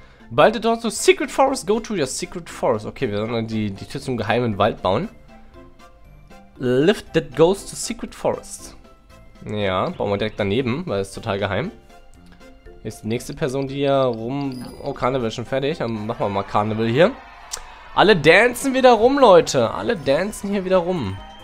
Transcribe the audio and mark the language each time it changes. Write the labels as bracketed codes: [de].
[en] Bald the door to Secret Forest, go to your Secret Forest. [de] Okay, wir sollen die Tür zum geheimen Wald bauen. [en] Lift that goes to Secret Forest. [de] Ja, bauen wir direkt daneben, weil es total geheim. Hier ist die nächste Person, die hier rum... Oh, Karneval ist schon fertig, dann machen wir mal Karneval hier. Alle dancen wieder rum, Leute. Alle dancen hier wieder rum.